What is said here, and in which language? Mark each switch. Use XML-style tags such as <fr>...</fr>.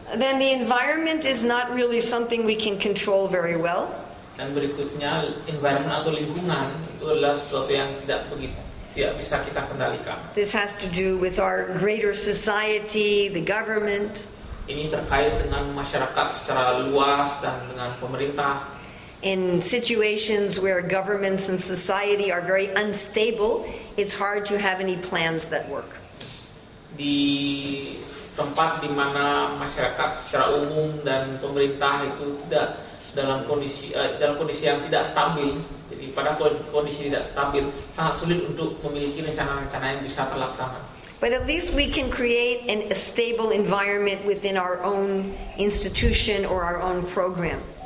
<en>Then the environment is not really something we can control very well.</en> <id>Dan berikutnya, environment atau lingkungan itu adalah sesuatu yang tidak bisa kita kendalikan.</id> <en>This has to do with our greater society, the government.</en> <id>Ini terkait dengan masyarakat secara luas dan dengan pemerintah.</id> <en>In situations where governments and society are very unstable, it's hard to have any plans that work.</en> <id>Di tempat di mana masyarakat secara umum dan pemerintah itu tidak dalam kondisi yang tidak stabil, jadi pada kondisi tidak stabil sangat sulit untuk memiliki rencana-rencana yang bisa terlaksana.</id> <en>But at least we can create a stable environment within our own institution or our own program.</en>